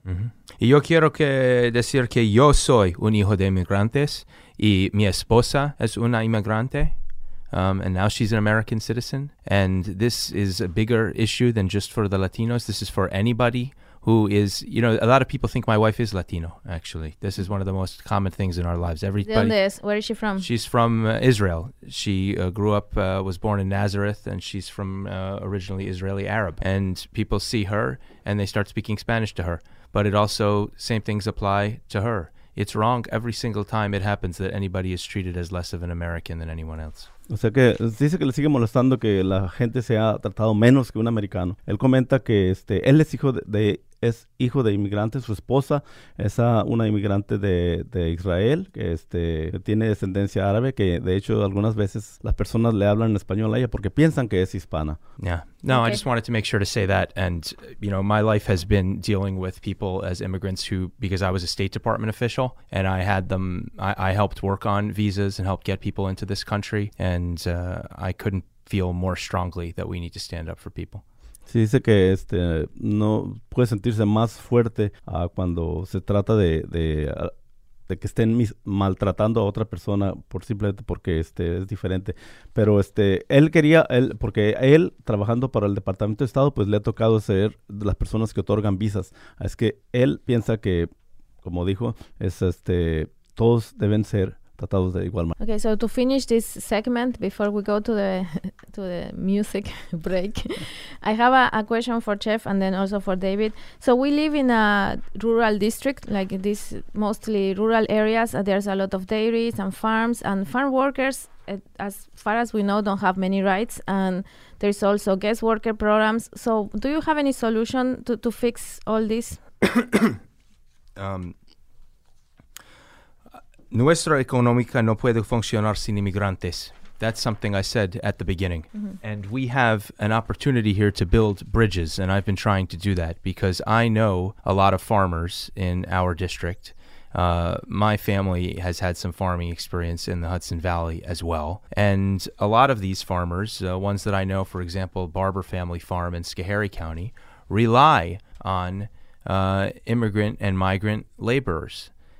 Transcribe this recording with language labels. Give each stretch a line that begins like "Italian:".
Spanish: Uh-huh. Y yo quiero que decir que yo soy un hijo de inmigrantes y mi esposa es una inmigrante.
English: And now she's an American citizen. And this is a bigger issue than just for the Latinos. This is for anybody who is, you know, a lot of people think my wife is Latino, actually. This is one of the most common things in our lives. Everybody, where is she from? She's from Israel. She grew up, was born in Nazareth, and she's from originally Israeli Arab. And people see her, and they start speaking Spanish to her. But it also, same things apply to her. It's wrong every single time it happens that anybody is treated as less of an American than anyone else.
Spanish: O sea que dice que le sigue molestando que la gente sea tratado menos que un americano. Él comenta que él es hijo de es hijo de inmigrantes. Su esposa es una inmigrante de Israel, que tiene descendencia árabe, que de hecho algunas veces las personas le hablan en español a ella porque piensan que es hispana.
English: Yeah. No, okay. I just wanted to make sure to say that. And, you know, my life has been dealing with people as immigrants who, because I was a State Department official and I had them, I helped work on visas and helped get people into this country. And I couldn't feel more strongly that we need to stand up for people.
Spanish: Sí, dice que no puede sentirse más fuerte cuando se trata de que estén maltratando a otra persona por simplemente porque es diferente. Pero él quería, porque él trabajando para el Departamento de Estado, pues le ha tocado ser de las personas que otorgan visas. Es que él piensa que, como dijo, es todos deben ser tratados de igual manera.
English: Okay, so to finish this segment before we go to the music break, I have a question for Jeff and then also for David. So we live in a rural district, like this mostly rural areas. There's a lot of dairies and farms, and farm workers, as far as we know, don't have many rights. And there's also guest worker programs. So do you have any solution to fix all this?
Spanish: Nuestra economía no puede funcionar sin inmigrantes.
English: That's something I said at the beginning. Mm-hmm. And we have an opportunity here to build bridges, and I've been trying to do that because I know a lot of farmers in our district. My family has had some farming experience in the Hudson Valley as well. And a lot of these farmers, ones that I know, for example, Barber Family Farm in Schoharie County, rely on immigrant and migrant laborers.